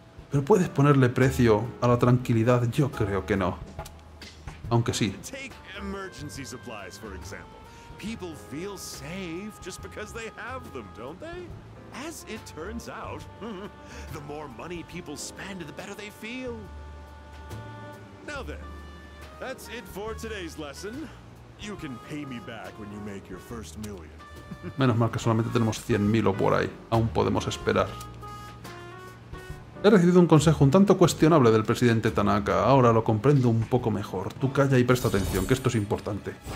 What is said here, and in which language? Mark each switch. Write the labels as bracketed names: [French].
[Spanish] Pero puedes ponerle precio a la tranquilidad, yo creo que no. Aunque sí. [English] Take emergency supplies, for example. People feel safe just because they have them, don't they? As it turns out, the more money people spend, the better they feel. Now then, that's it for today's lesson. You can pay me back when you make your first million. [Spanish] Menos mal que solamente tenemos 100.000 o por ahí. Aún podemos esperar. He recibido un consejo un tanto cuestionable del presidente Tanaka. Ahora lo comprendo un poco mejor. Tú calla y presta atención, que esto es importante.